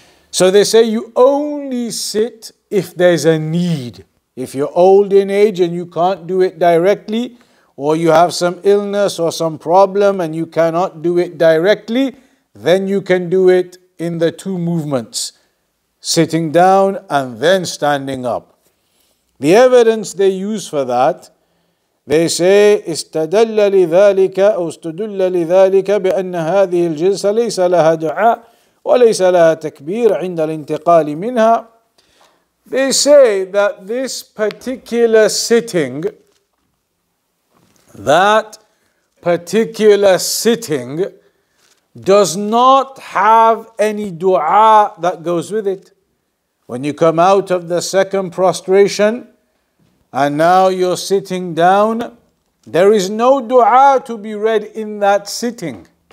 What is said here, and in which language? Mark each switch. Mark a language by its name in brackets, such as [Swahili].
[English] So they say you only sit if there's a need. If you're old in age and you can't do it directly, or you have some illness or some problem and you cannot do it directly, then you can do it in the two movements, sitting down and then standing up. The evidence they use for that, they say, [Arabic] استَدَلَّ لِذَلِكَ أَوْ استَدُلَّ لِذَلِكَ بِأَنَّ هَذِهِ الْجِلْسَ لَيْسَ لَهَا دُعَاءٌ وَلَيْسَ لَهَا تَكْبِيرٌ عِنْدَ الْإِنْتِقَالِ مِنْهَا. [English] They say that this particular sitting, that particular sitting, does not have any dua that goes with it. When you come out of the second prostration and now you're sitting down, there is no dua to be read in that sitting.